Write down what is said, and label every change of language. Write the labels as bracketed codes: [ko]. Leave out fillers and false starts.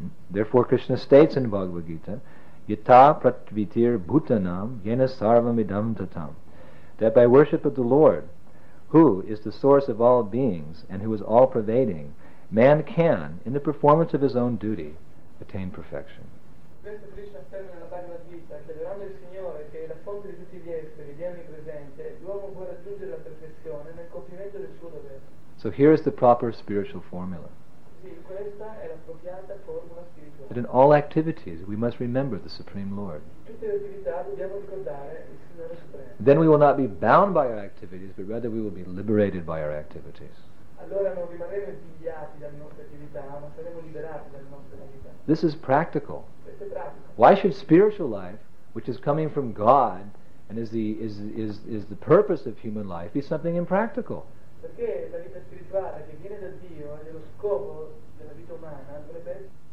[en] Therefore Krishna states in Bhagavad Gita, [sa] yata prativitir bhutanam yena sarvam idam tatam, [en] that by worship of the Lord, who is the source of all beings and who is all pervading, man can, in the performance of his own duty, attain perfection. [it] Questo Krishna afferma nella Bhagavad Gita che adorando il Signore, che è la fonte di tutti gli esseri, di ogni presente, l'uomo può raggiungere la perfezione nel compimento del suo dovere. [en] So here is the proper spiritual formula. [it] Questa è la appropriata formula spirituale. [en] That in all activities we must remember the Supreme Lord. [it] Tutte le attività dobbiamo ricordare il Signore Supremo. [en] Then we will not be bound by our activities, but rather we will be liberated by our activities. [it] Allora non rimarremo impigliati dalle nostre attività, ma saremo liberati dalle nostre attività. [en] This is practical. [it] Questo è pratico. [en] Why should spiritual life, which is coming from God and is the purpose of human life, be something impractical? [it] Perché la vita spirituale che viene da Dio è lo scopo della vita umana, dovrebbe